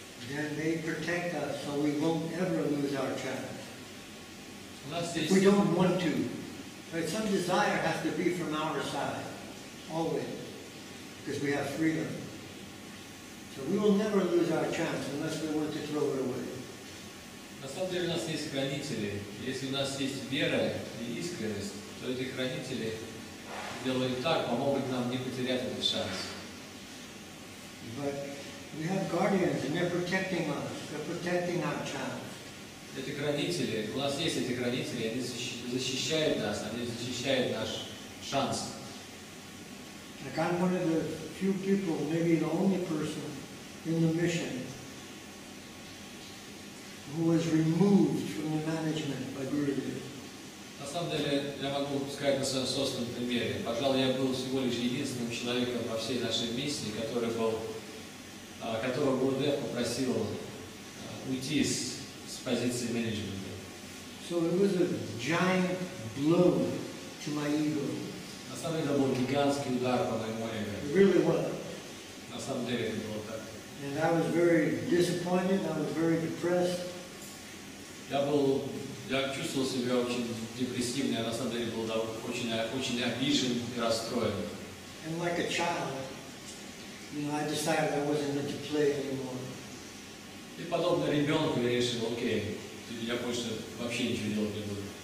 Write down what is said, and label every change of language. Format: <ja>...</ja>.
<en>Then they protect us, so we won't ever lose our chance. If we don't want to, right? Some desire has to be from our side, always, because we have freedom. So we will never lose our chance unless we want to throw it away.</en> <ru>На самом деле у нас есть хранители. Если у нас есть вера и искренность, то эти хранители делают так, помогут нам не потерять этот шанс.</ru> <en>But we have guardians, and they're protecting us. They're protecting our chance.</en> <ru>Эти хранители, у нас есть эти хранители, они защищают нас, они защищают наш шанс.</ru> <en>Like I'm one of the few people, maybe the only person in the mission who was removed from the management by Guruji.</en> <ru>На самом деле, я могу сказать на своем собственном примере. Пожалуй, я был всего лишь единственным человеком во всей нашей миссии, который был которого Гурудев попросил уйти с позиции менеджмента.</ru> <en>So it was a giant blow to my ego.</en> <ru>На самом деле это был гигантский удар по моему эго.</ru> <en>It really was.</en> <ru>На самом деле это было так.</ru> <en>And I was very disappointed, I was very depressed.</en> <ru>Я чувствовал себя очень депрессивно, я на самом деле был очень обижен и расстроен.</ru> <en>And like a child. You know, I decided I wasn't going to play anymore.</en> <ru>И подобно ребенку я решил, окей, я больше вообще ничего делать не буду.</ru>